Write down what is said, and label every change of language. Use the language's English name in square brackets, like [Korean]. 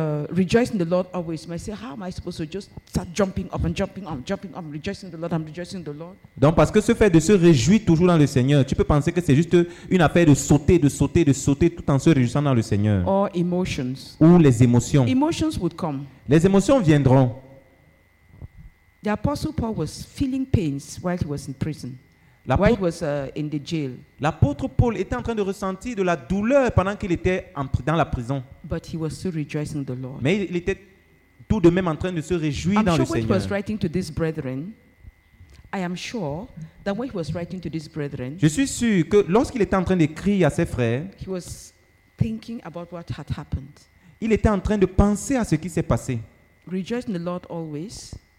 [English] Rejoicing the Lord always. I say, how am I supposed to just start jumping up and jumping up, jumping up, rejoicing the Lord, I'm rejoicing the Lord. [French] Donc, parce que ce fait de se réjouir toujours dans le Seigneur, tu peux penser que c'est juste une affaire de sauter, de sauter, de sauter, tout en se réjouissant dans le Seigneur. [English] Or emotions. [French] Ou les émotions. [English] Emotions would come. [French] Les émotions viendront. [English] The Apostle Paul was feeling pains while he was in prison. While he was in the jail. [French] L'apôtre Paul était en train de ressentir de la douleur pendant qu'il était dans la prison. [English] But he was still rejoicing the Lord. [French] Mais il était tout de même en train de se réjouir [English] I'm [French] dans [English] sure [French] le Seigneur. [English] When he was writing to these brethren, I am sure that when he was writing to these brethren, [French] je suis sûr que lorsqu'il était en train d'écrire à ses frères, [English] he was thinking about what had happened. [French] Il était en train de penser à ce qui s'est passé. [English] Rejoice in the Lord always.